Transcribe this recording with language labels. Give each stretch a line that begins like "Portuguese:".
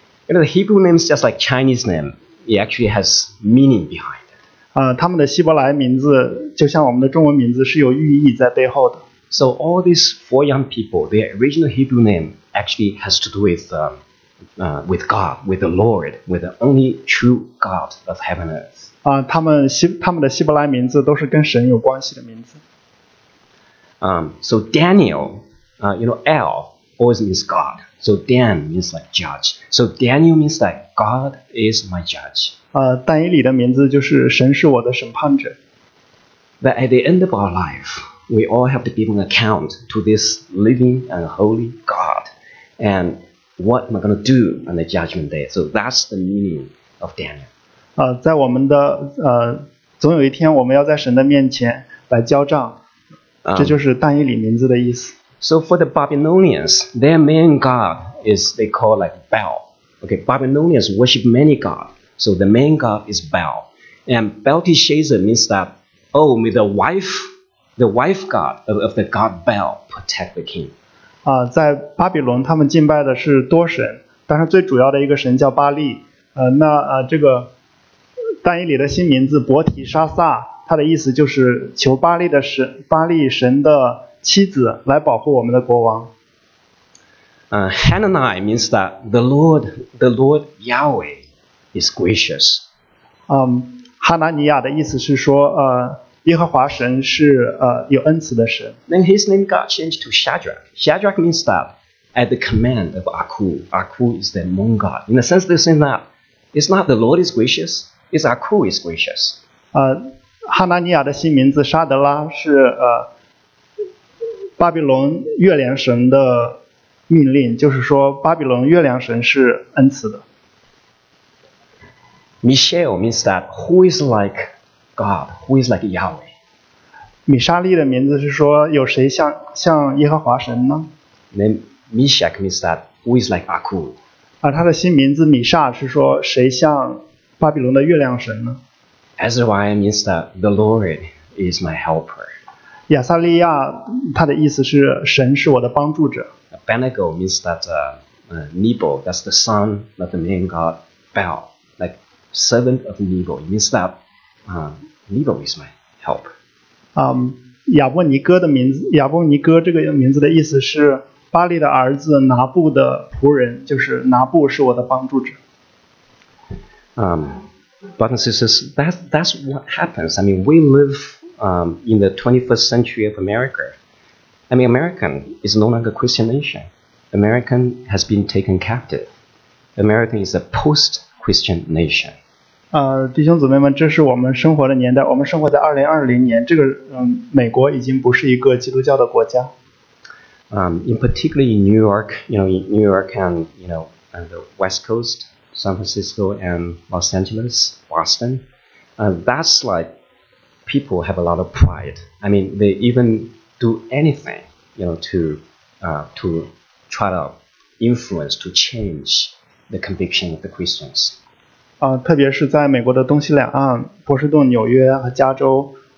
English: You know, the Hebrew name is just like Chinese name. It actually has meaning behind it.
Chinese: 他们的希伯来名字就像我们的中文名字是有寓意在背后的。
English: So all these four young people, their original Hebrew name actually has to do with God, with the Lord, with the only true God of heaven and earth.
Chinese: 他们的希伯来名字都是跟神有关系的名字。
English: So Daniel, you know, El always means God. So Dan means like judge. So Daniel means like God is my judge.
Chinese: 但以理的名字就是神是我的审判者。
English: That at the end of our life,We all have to give an account to this living and holy God, and what am I going to do on the judgment day? So that's the meaning of Daniel.
Chinese: 在我们的总有一天我们要在神的面前来交账，这就是但以理名字的意思。
English: So for the Babylonians, their main god is they call like Baal. Okay, Babylonians worship many gods, so the main god is Baal, and Belteshazzar means that oh, may the wife. The wife god of the god Baal protect the king.
Chinese: 在巴比伦他们敬拜的是多神，但是最主要的一个神叫巴利。这个但以理的新名字伯提沙撒，他的意思就是求巴利神的妻子来保护我们的国王。
English: Hanani means that the Lord Yahweh is gracious.
Chinese: 哈拿尼亚的意思是说耶和华神是有恩慈的神。
English: Then his name got changed to Shadrach. Shadrach means that at the command of Aku. Aku is the moon god. In the sense they're saying that it's not the Lord is gracious, it's Aku is gracious.
Chinese: 哈拿尼亚的新名字沙德拉是巴比伦月亮神的命令，就是说巴比伦月亮神是恩慈的。
English: Michelle means that who is like. God, who is like Yahweh?
Chinese: 米沙利的名字是说有谁像耶和华神呢？
English: Then Meshach means that who is like Aku?
Chinese: 他的新名字米沙是说谁像巴比伦的月亮神呢？
English: Azariah means that the Lord is my helper.
Chinese: 亚萨利亚他的意思是神是我的帮助者。
English: Abednego means that Nebo, that's the son of the main god Baal, like servant of Nebo. It means thatNebo is my help.
Chinese: 亚伯尼哥的名字，亚伯尼哥这个名字的意思是巴利的儿子拿布的仆人，就是拿布是我的帮助者。
English: Brothers and sisters, that's what happens. I mean, we live in the 21st century of America. I mean, American is no longer a Christian nation. American has been taken captive. American is a post-Christian nation.
Chinese: 弟兄姊妹们，这是我们生活的年代，我们生活在2020年，这个美国已经不是一个基督教的国家。
English: In particular in New York, you know, in New York and, you know, and the West Coast, San Francisco and Los Angeles, Boston, that's like people have a lot of pride. I mean, they even do anything, you know, to try to influence, to change the conviction of the Christians.
Chinese: 特别是在美国的东西两岸，波士顿、纽约和加州，